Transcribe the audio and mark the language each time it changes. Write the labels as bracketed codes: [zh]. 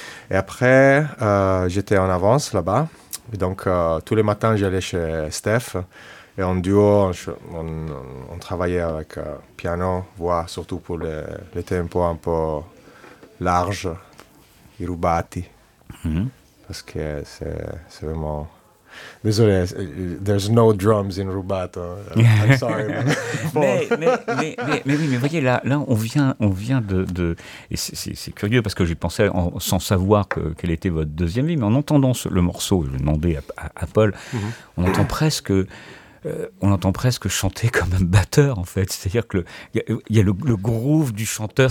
[fr] Et après, j'étais en avance là-bas. Et donc, tous les matins, j'allais chez Steph. Et en duo, on travaillait avec piano, voix, surtout pour les tempos un peu larges, i rubati. Mm-hmm. Parce que c'est vraiment... Désolé, [en] there's no drums in rubato. I'm sorry. [fr] Mais oui, mais voyez, là on vient de et c'est curieux parce que j'ai pensé, sans savoir quelle était votre deuxième vie, mais en entendant le morceau, je vais demander à Paul, mm-hmm. On entend presque chanter comme un batteur, en fait. C'est-à-dire que il y a le groove du chanteur.